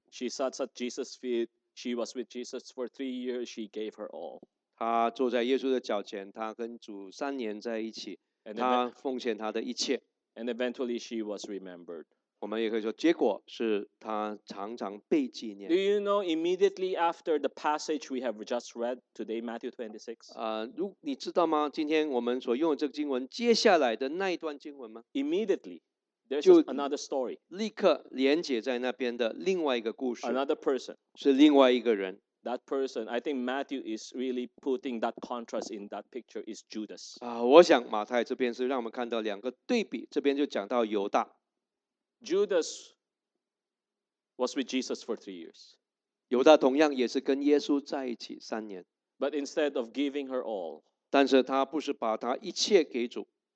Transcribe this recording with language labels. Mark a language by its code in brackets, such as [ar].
[en] She sat at Jesus' feet. She was with Jesus for 3 years. She gave her all. [zh] 她坐在耶稣的脚前, 她跟主3年在一起。 [en] And eventually she was remembered. [zh] 我们也可以说结果是她常常被纪念。 [en] Do you know immediately after the passage we have just read today, Matthew 26? [zh] 你知道吗? 今天我们所用的这个经文, 接下来的那一段经文吗? [en] Immediately, there's another story. [zh] 立刻连接在那边的另外一个故事。 [en] Another person. [zh] 是另外一个人。 [en] That person, I think Matthew is really putting that contrast in that picture, is Judas. [zh] 我想马太这边是让我们看到两个对比, 这边就讲到犹大。 [en] Judas was with Jesus for 3 years. [zh] 犹大同样也是跟耶稣在一起3年。 [en] But instead of giving her all, [zh] 但是他不是把他一切给主,